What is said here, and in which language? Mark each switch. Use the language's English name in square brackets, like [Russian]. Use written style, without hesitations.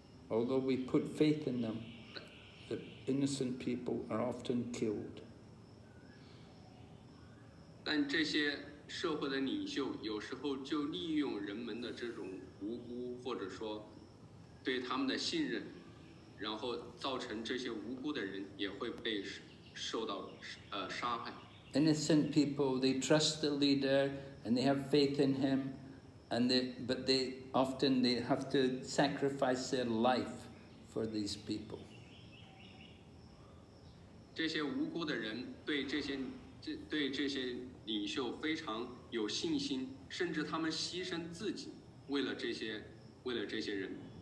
[English] Although we put faith in them, the innocent people are often killed. [Chinese] 但这些社会的领袖有时候就利用人们的这种无辜，或者说对他们的信任，然后造成这些无辜的人也会被受到杀害。 [English] Innocent people, they trust the leader and they have faith in him. But they often have to sacrifice their life for these people. [Chinese] 这些无辜的人对这些领袖非常有信心，甚至他们牺牲自己为了这些人。